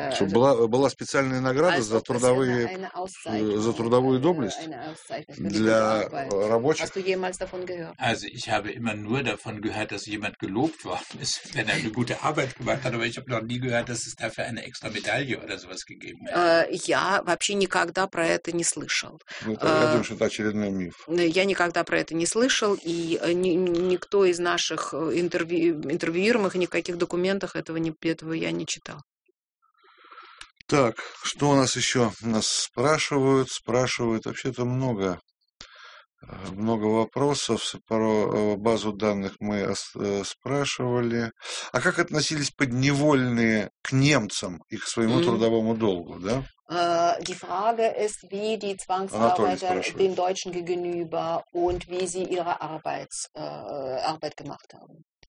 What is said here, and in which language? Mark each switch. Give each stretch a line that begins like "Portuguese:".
Russian: Была специальная награда за трудовые, за трудовую доблесть для рабочих?
German: Also ich habe immer nur davon gehört, dass jemand gelobt worden ist, wenn er eine gute Arbeit gemacht hat, aber ich habe noch nie gehört, dass es dafür eine extra Medaille oder sowas gegeben hat.
Russian: Я вообще никогда про это не слышал. Это очередной миф. Я никогда про это не слышал, и никто из наших интервьюируемых никаких документах этого я не читал. Так, что у нас еще? Нас спрашивают, вообще-то много. Много вопросов, про базу данных мы спрашивали. А как относились подневольные к немцам и к своему трудовому долгу, да?
German: Die Frage ist, wie die Zwangsarbeiter den Deutschen gegenüber und wie sie ihre Arbeit gemacht haben.